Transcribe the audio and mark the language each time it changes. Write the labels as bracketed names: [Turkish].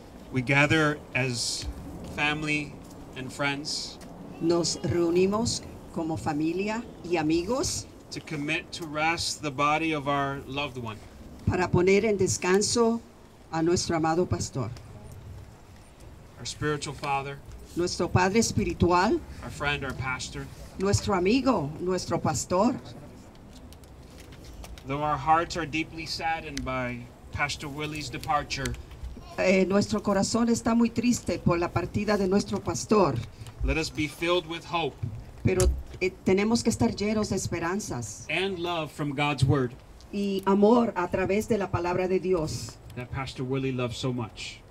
[English] We gather as family and friends. [Spanish] Nos reunimos como familia y amigos. [English] To commit to rest the body of our loved one. [Spanish] Para poner en descanso a nuestro amado pastor. [English] Our spiritual father. [Spanish] Nuestro padre espiritual. [English] Our friend, our pastor. [Spanish] Nuestro amigo, nuestro pastor. [English] Though our hearts are deeply saddened by Pastor Willie's departure. [Spanish] Nuestro corazón está muy triste por la partida de nuestro pastor. [English] Let us be filled with hope. [Spanish] Pero tenemos que estar llenos de esperanzas. [English] And love from God's word. [Spanish] Y amor a través de la palabra de Dios. [English] That Pastor Willie loved so much.